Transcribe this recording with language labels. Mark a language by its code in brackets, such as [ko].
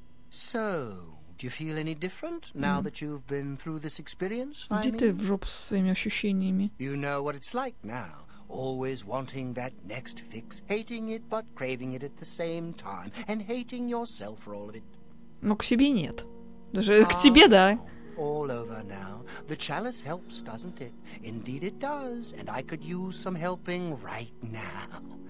[en] So, do you feel any different now that you've been through this experience? [ru] Иди ты в жопу со своими ощущениями. [en] You know what it's like now, always wanting that next fix, hating it but craving it at the same time, and hating yourself for all of it. [ru] Но к себе нет. Даже к тебе, да? [en] All over now. The chalice helps, doesn't it? Indeed it does, and I could use some helping right now.